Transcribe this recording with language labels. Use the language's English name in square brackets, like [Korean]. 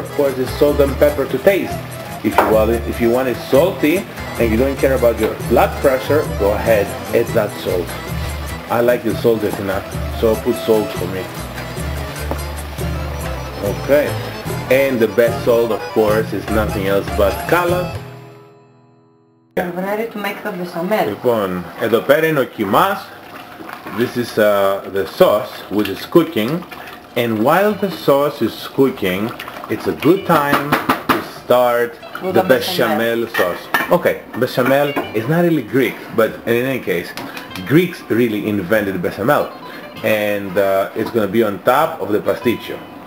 [English] Of course, it's salt and pepper to taste. If you want it salty and you don't care about your blood pressure, go ahead, add that salt. I like the salt, Athena, so put salt for me. Okay. And the best salt, of course, is nothing else but color. I'm ready to make the béchamel. [Greek] Λοιπόν, εδώ πέρα είναι ο κιμάς. [English] This is the sauce which is cooking. And while the sauce is cooking, it's a good time to start the béchamel sauce. Okay, béchamel is not really Greek, but in any case, Greeks really invented béchamel. And it's going to be on top of the pasticcio.